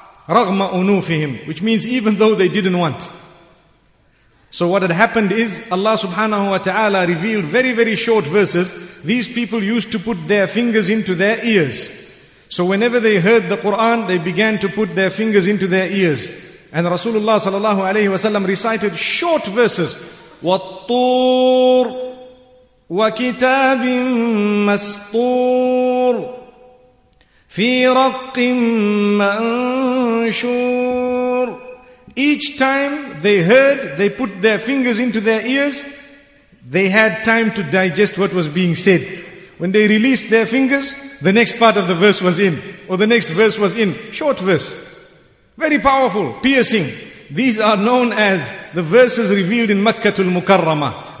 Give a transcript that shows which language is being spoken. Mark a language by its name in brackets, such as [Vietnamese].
[Arabic] رَغْمَ أُنُوفِهِمْ, [English] which means even though they didn't want. So what had happened is Allah subhanahu wa ta'ala revealed very, very short verses. These people used to put their fingers into their ears. So whenever they heard the Quran, they began to put their fingers into their ears. And Rasulullah sallallahu alayhi wa sallam recited short verses. [Arabic] وَالطُّور وَكِتَابٍ مَسْطُور فِي رَقٍ مَنْشُور. [English] Each time they heard, they put their fingers into their ears, they had time to digest what was being said. When they released their fingers, the next part of the verse was in, or the next verse was in. Short verse. Very powerful, piercing. These are known as the verses revealed in Makkatul Mukarramah.